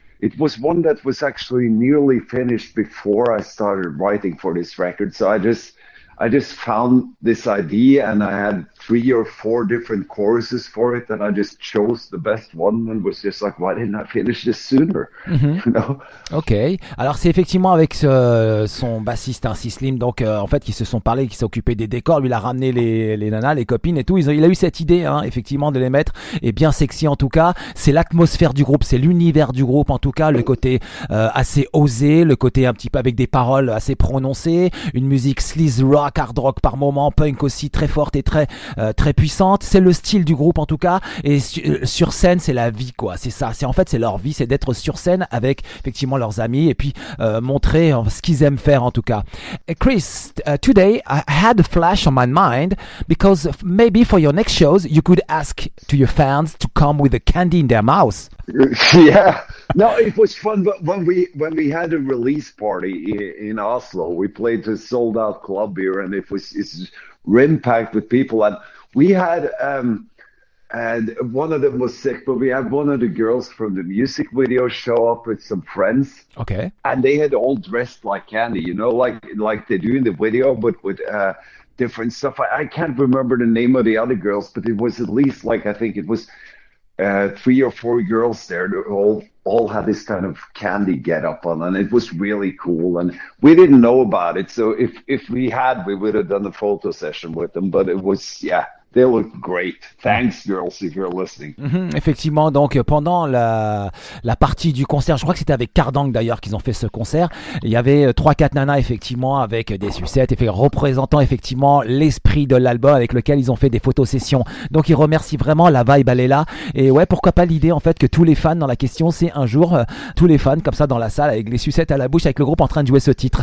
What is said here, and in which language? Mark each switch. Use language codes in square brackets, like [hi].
[en] It was one that was actually nearly finished before I started writing for this record. So I just found this idea, and I had three or four different choruses for it, and I just chose the best one and was just like, why didn't I finish this sooner? Mm-hmm. You know? Okay. [fr] Alors c'est effectivement avec son bassiste, hein, Sislim, donc en fait, ils se sont parlé, qui s'est occupé des décors, lui il a ramené les nanas, les copines et tout. Il a eu cette idée, hein, effectivement, de les mettre, et bien sexy en tout cas. C'est l'atmosphère du groupe, c'est l'univers du groupe en tout cas, le côté assez osé, le côté un petit peu avec des paroles assez prononcées, une musique sleaze rock, hard rock par moment, punk aussi, très forte et très très puissante. C'est le style du groupe en tout cas, et sur scène c'est la vie, quoi. C'est ça, c'est en fait c'est leur vie, c'est d'être sur scène avec effectivement leurs amis, et puis montrer ce qu'ils aiment faire en tout cas. [en] Chris, today I had a flash on my mind, because maybe for your next shows you could ask to your fans to come with a candy in their mouth. Yeah, no, it was fun. But when we had a release party in Oslo, we played a sold out club here, and it's rim packed with people. And we had and one of them was sick, but we had one of the girls from the music video show up with some friends. Okay, and they had all dressed like candy, you know, like they do in the video, but with different stuff. I can't remember the name of the other girls, but it was at least like I think it was. Three or four girls there, all had this kind of candy get up on, and it was really cool, and we didn't know about it, so if we had, we would have done a photo session with them, but it was, yeah. They look great. Thanks, girls, if you're listening. Mm-hmm. [fr] Effectivement, donc pendant la partie du concert, je crois que c'était avec Cardang d'ailleurs qu'ils ont fait ce concert. Il y avait 3-4 nanas effectivement avec des sucettes, représentant effectivement l'esprit de l'album avec lequel ils ont fait des photosessions. Donc ils remercient vraiment, la vibe elle est là. Et ouais, pourquoi pas l'idée en fait que tous les fans dans la question, c'est un jour tous les fans comme ça dans la salle avec les sucettes à la bouche avec le groupe en train de jouer ce titre.